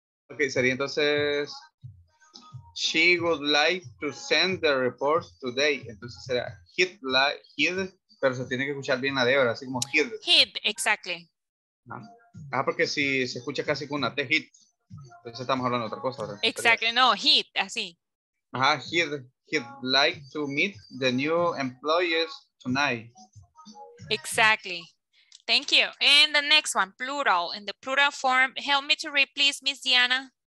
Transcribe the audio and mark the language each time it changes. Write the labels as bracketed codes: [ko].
[en] Okay, [es] sería entonces, [en] she would like to send the report today. [es] Entonces será hit, like, hit, pero se tiene que escuchar bien la de ahora, así como hit. [en] Hit, exactly. [es] Ah, porque si se escucha casi con una T, hit. entonces estamos hablando de otra cosa, ¿verdad? [en] Exactly, no, he'd, así. Ajá, he'd like to meet the new employees tonight. Exactly. Thank you. And the next one, plural. In the plural form, help me to read, please, Miss Diana.